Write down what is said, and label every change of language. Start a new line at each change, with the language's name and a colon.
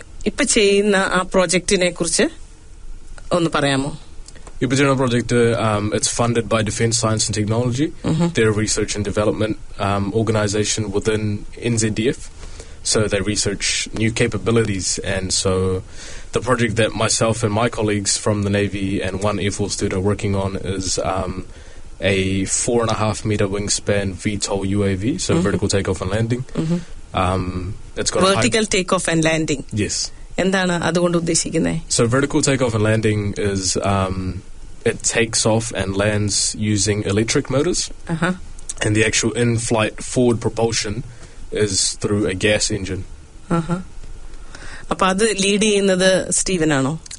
Malayalam: ഇപ്പോ ചെയ്യുന്ന ആ പ്രോജക്റ്റിനെ കുറിച്ച് ഒന്ന് പറയാമോ? Ipa
English: General Project, it's funded by Defence Science and Technology. Mm-hmm. They're a research and development organisation within NZDF. So they research new capabilities. And so the project that myself and my colleagues from the Navy and one Air Force student are working on is a 4.5 metre wingspan VTOL UAV, so mm-hmm. vertical takeoff and landing. Mm-hmm. It's got vertical takeoff and landing. Yes.
Malayalam: എന്താണ് അതുകൊണ്ട് ഉദ്ദേശിക്കുന്നത്?
English: So vertical takeoff and landing is it takes off and lands using electric motors. Uh-huh. And the actual in-flight forward propulsion is through a gas engine. Uh-huh.
Malayalam: അപ്പോൾ അത് lead ചെയ്യുന്നത് Steven ആണോ?